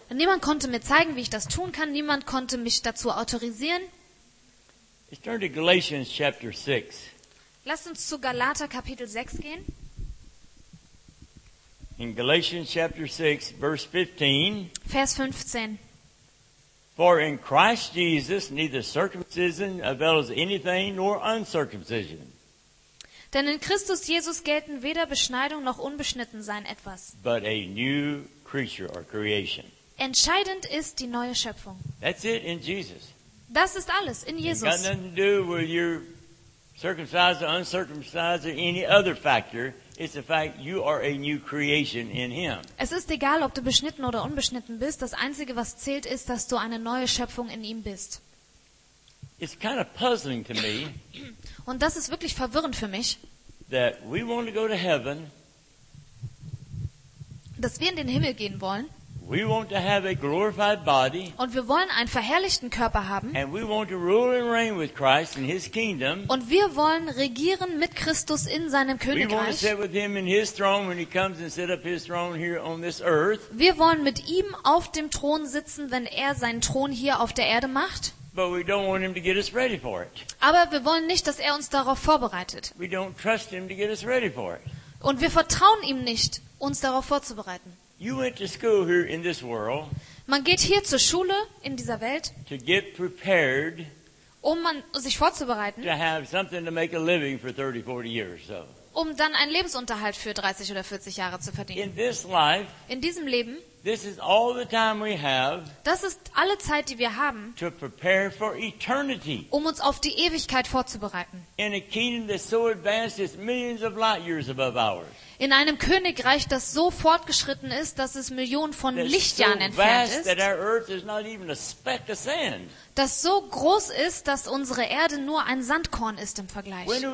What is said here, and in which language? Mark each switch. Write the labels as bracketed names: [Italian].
[German] Niemand konnte mir zeigen, wie ich das tun kann. Niemand konnte mich dazu autorisieren. [English] Let's turn to Galatians chapter 6. [German] Lasst uns zu Galater Kapitel 6 gehen. [English] In Galatians chapter 6, verse 15. [German] Vers 15. [English] For in Christ Jesus neither circumcision avails anything nor uncircumcision. [German] Denn in Christus Jesus gelten weder Beschneidung noch Unbeschnittensein etwas. [English] But a new creature or creation. [German] Entscheidend ist die neue Schöpfung. [English] That's it in Jesus. [German] Das ist alles in Jesus. [English] It's got nothing to do with your circumcised or uncircumcised or any other factor. It's the fact you are a new creation in him. [German] Es ist egal, ob du beschnitten oder unbeschnitten bist. Das Einzige, was zählt, ist, dass du eine neue Schöpfung in ihm bist. [English] It's kind of puzzling to me. [German] Und das ist wirklich verwirrend für mich. [English] That we want to go to heaven. [German] Dass wir in den Himmel gehen wollen. [English] We want to have a glorified body. [German] Und wir wollen einen verherrlichten Körper haben. [English] And we want to rule and reign with Christ in his kingdom. [German] Und wir wollen regieren mit Christus in seinem Königreich. [English] We want to sit with him in his throne when he comes and set up his throne here on this earth. [German] Wir wollen mit ihm auf dem Thron sitzen, wenn er seinen Thron hier auf der Erde macht. [English] But we don't want him to get us ready for it. [German] Aber wir wollen nicht, dass er uns darauf vorbereitet. [English] We don't trust him to get us ready for it. [German] Und wir vertrauen ihm nicht, uns darauf vorzubereiten. [English] You went to school here in this world. [German] Man geht hier zur Schule in dieser Welt. [English] To get prepared. [German] Um sich vorzubereiten. [English] To have something to make a living for 30, 40 years or so. [German] Um dann einen Lebensunterhalt für 30 oder 40 Jahre zu verdienen. [English] In this life. [German] In diesem Leben. [English] This is all the time we have. [German] Das ist alle Zeit, die wir haben. [English] To prepare for eternity. [German] Um uns auf die Ewigkeit vorzubereiten. [English] In a kingdom that's so advanced, it's millions of light years above ours. [German] In einem Königreich, das so fortgeschritten ist, dass es Millionen von Lichtjahren entfernt ist. Das so groß ist, dass unsere Erde nur ein Sandkorn ist im Vergleich.